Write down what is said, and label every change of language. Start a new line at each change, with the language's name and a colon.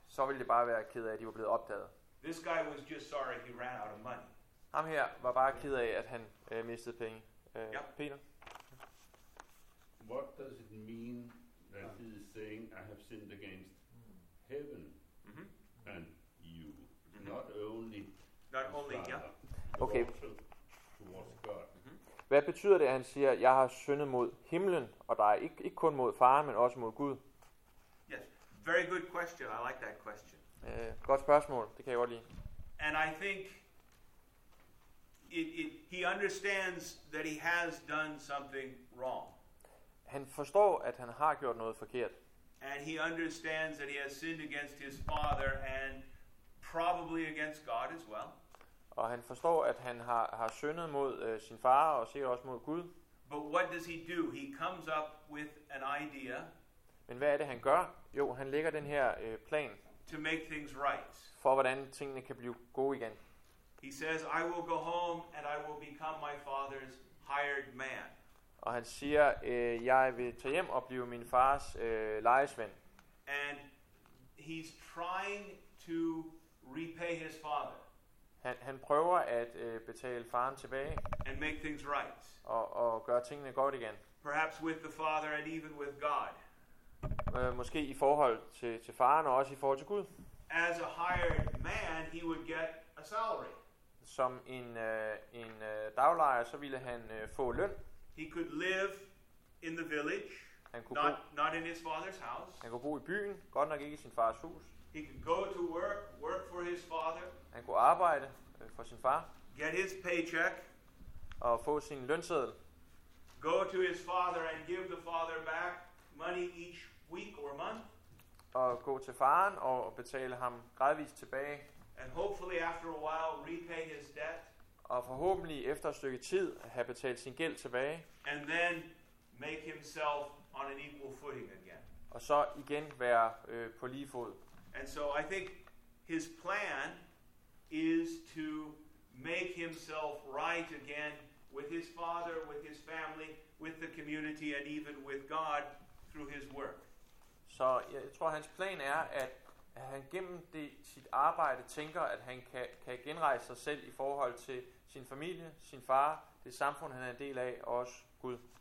Danish: Så ville de bare være ked af, at de var blevet opdaget.
English: This guy was just sorry he ran out of money.
Danish: Ham her var bare ked af, at han mistede penge.
English: Yeah. Peter? What does it mean that he is saying, I have sinned against heaven and you? Mm-hmm. Not only, father, yeah. Okay. Towards God.
Danish: Hvad betyder det, at han siger, jeg har syndet mod himlen, og der er ikke kun mod faren, men også mod Gud?
English: Very good question. I like that question.
Danish: Godt spørgsmål. Det kan jeg godt lide.
English: And I think he understands that he has done something wrong.
Danish: Han forstår at han har gjort noget forkert.
English: And he understands that he has sinned against his father and probably against God as well.
Danish: Og han forstår at han har syndet mod sin far og sikkert også mod Gud.
English: But what does he do? He comes up with an idea.
Danish: Men hvad er det han gør? Jo, han lægger den her plan
English: to make things right.
Danish: For hvordan tingene kan blive gode igen.
English: He says, I will go home and I will become my father's hired man.
Danish: Og han siger, jeg vil tage hjem og blive min fars lejesvend.
English: And he's trying to repay his father.
Danish: Han prøver at betale faren tilbage.
English: And make things right.
Danish: Og gøre tingene godt igen.
English: Perhaps with the father and even with God.
Danish: Måske i forhold til faren og også i forhold til Gud.
English: As a hired man, he would get a salary.
Danish: Som en daglejer, så ville han få løn.
English: He could live in the village, not in his father's house.
Danish: Han kunne bo i byen, godt nok ikke i sin fars hus.
English: He could go to work for his father.
Danish: Han kunne arbejde for sin far.
English: Get his paycheck.
Danish: Og få sin lønseddel.
English: Go to his father and give the father back money each week or month.
Danish: Og gå til faren og betale ham gradvist tilbage.
English: And hopefully after a while repay his debt.
Danish: Og forhåbentlig efter et stykke tid have betalt sin gæld tilbage.
English: And then make himself on an equal footing again.
Danish: Og så igen være på lige fod.
English: And so I think his plan is to make himself right again with his father, with his family, with the community, and even with God through his work.
Danish: Så jeg tror hans plan er, at han gennem sit arbejde tænker, at han kan genrejse sig selv i forhold til sin familie, sin far, det samfund han er en del af, og også Gud.